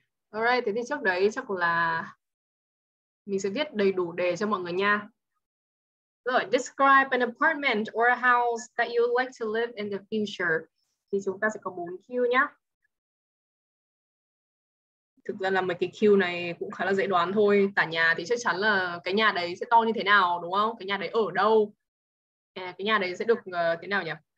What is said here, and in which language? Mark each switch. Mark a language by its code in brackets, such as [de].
[vi] Alright, thế thì trước đấy chắc là mình sẽ viết đầy đủ đề cho mọi người nha. [en] Rồi, describe an apartment or a house that you would like to live in the future. [vi] Thì chúng ta sẽ có 4 cue nhá. Thực ra là mấy cái cue này cũng khá là dễ đoán thôi. Tả nhà thì chắc chắn là cái nhà đấy sẽ to như thế nào, đúng không? Cái nhà đấy ở đâu? Cái nhà đấy sẽ được thế nào nhỉ?